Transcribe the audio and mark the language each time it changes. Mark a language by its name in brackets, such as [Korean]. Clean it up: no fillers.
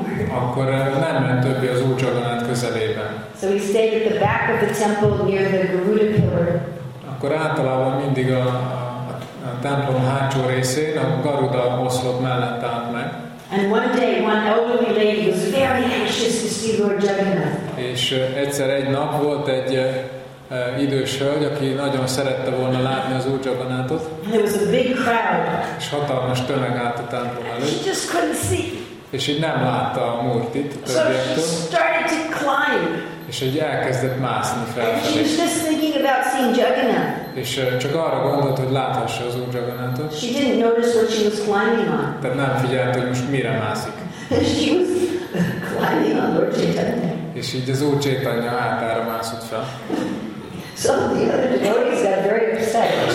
[Hungarian] Akkor nem ment többé az Úr Csaganát közelében. [English] So we stayed at the back of the temple near the Garuda pillar. [Hungarian] Akkor általában mindig a templom hátsó részén, a Garuda oszlop mellett állt meg. [English] And one day one elderly lady was very anxious to see Lord Jagannath. [Hungarian] És egyszer egy nap volt egy idős hölgy, aki nagyon szerette volna látni az Úr Csaganátot. [English] There was a big crowd. [Hungarian] És hatalmas tömeg állt a templom előtt. [English] She just couldn't see. [Hungarian] És így nem látta a Murtit a többiektől. [English] So she started to climb. [Hungarian] És így elkezdett mászni felfelé. [English] She was just thinking about seeing Jagannath. [Hungarian] És csak arra gondolt, hogy láthassa az Úr Jagannathot. [English] She didn't notice what she was climbing on. [Hungarian] Tehát nem figyelt, hogy most mire mászik. [English] She was climbing on Lord Chaitanya. [Hungarian] És így az Úr Chaitanya hátára mászott fel. [English] So the other devotees got very upset.